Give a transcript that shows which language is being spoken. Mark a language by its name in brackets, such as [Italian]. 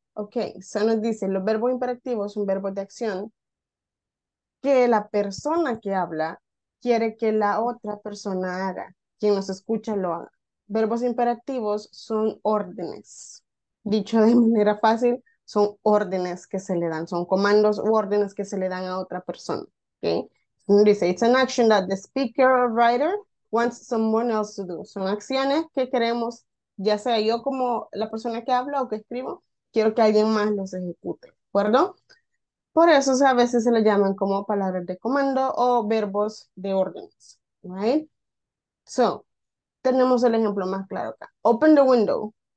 [English] Okay, so [Spanish] nos dice, los verbos imperativos son verbos de acción que la persona que habla quiere que la otra persona haga, quien nos escucha lo haga. Verbos imperativos son órdenes. Dicho de manera fácil, son órdenes que se le dan, son comandos u órdenes que se le dan a otra persona. [English] Okay? Dice, it's an action that the speaker or writer wants someone else to do. [Spanish] Son acciones que queremos, ya sea yo como la persona que habla o que escribo, quiero que alguien más los ejecute. ¿De acuerdo? Por eso a veces se le llaman como palabras de comando o verbos de órdenes. Right? So, tenemos el ejemplo más claro acá. [English] Open the window.